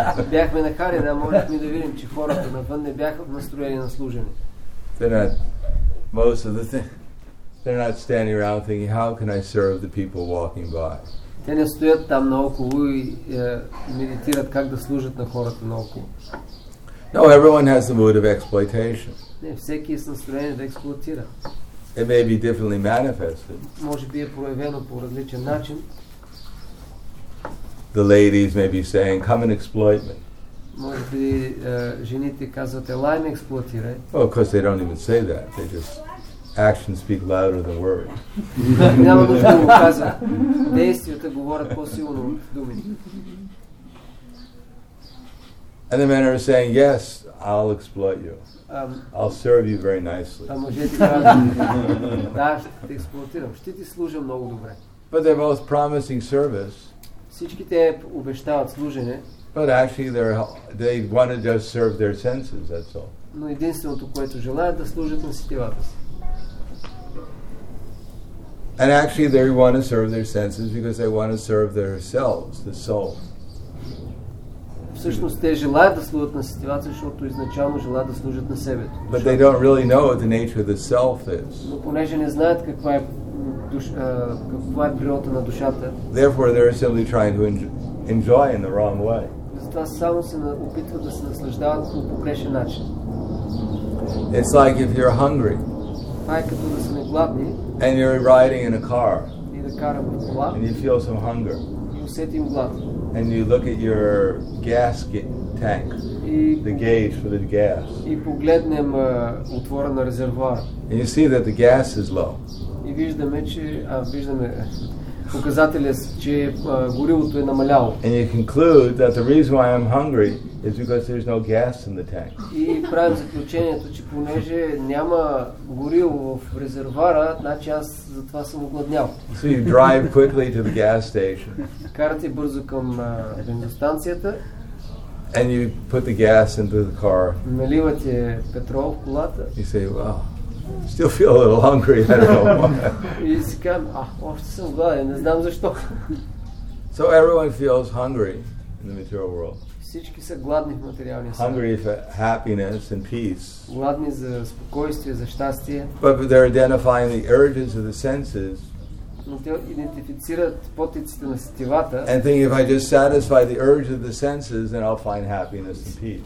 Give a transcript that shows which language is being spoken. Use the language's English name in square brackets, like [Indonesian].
[Bulgarian] Бяхме на Хари, да можехме да видим, че хората навън не бяха в настроение на служене. [English] They're not standing around thinking, how can I serve the people walking by? [Bulgarian] Те не стоят там наоколо и медитират как да служат на хората наоколо. [English] No, everyone has the mood of exploitation. [Bulgarian] Не, всеки е с настроение да експлоатира. [English] It may be differently manifested. [Bulgarian] Може би е проявено по различен начин. [English] The ladies may be saying, come and exploit me. [Bulgarian] Може би жените казват, елай ме експлоатирай. [English] Well, of course they don't even say that. They just... Actions speak louder than words. [Bulgarian] Няма нужда да го казвам. Действията говорят по-силно от думите. [English] And the men are saying, yes, I'll exploit you. I'll serve you very nicely. [Bulgarian] А мъжете казват, да, ще те експлоатирам. Ще ти служа много добре. [English] But they're both promising service. [Bulgarian] Всички те обещават служене. [English] But actually they want to just serve their senses, that's all. [Bulgarian] Но единственото, което желаят, да служат на сетивата си. [English] And actually they want to serve their senses because they want to serve their selves, the soul. [Bulgarian] Всъщност те желаят да служат на сетивата, защото изначално желаят да служат на себе. [English] But they don't really know what the nature of the self is. [Bulgarian] Но понеже не знаят каква е природата на душата. [English] Therefore they are simply trying to enjoy in the wrong way. [Bulgarian] Затова само се опитват да се наслаждават по погрешен начин. [English] It's like if you're hungry. [Bulgarian] Това е като да сме гладни. [English] And you're riding in a car. [Bulgarian] И да карам в кола. [English] And you feel some hunger. [Bulgarian] И усетим глад. [English] And you look at your gas tank. The gauge for the gas. [Bulgarian] И погледнем отвора на резервоар. [English] And you see that the gas is low. [Bulgarian] И виждаме, че показателят, че горивото е намаляло. [English] And you conclude that the reason why I'm hungry is because there's no gas in the tank. [Bulgarian] И правим заключението, че понеже няма гориво в резервоара, значи аз затова съм огладнял. [English] So you drive quickly to the gas station. [Bulgarian] Карате бързо към бензиностанцията. [English] And you put the gas into the car. [Bulgarian] Наливате петрол в колата. [English] You say, wow. Still feel a little hungry, I don't know why. [Bulgarian] И си казвам, още съм гладен, не знам защо. [English] So everyone feels hungry in the material world. [Bulgarian] Всички са гладни в материалния свят. [English] Hungry for happiness and peace. [Bulgarian] Гладни за спокойствие, за щастие. [English] But they're identifying the urges of the senses. [Bulgarian] Но те идентифицират потиците на сетивата. [English] And think if I just satisfy the urge of the senses, then I'll find happiness and peace.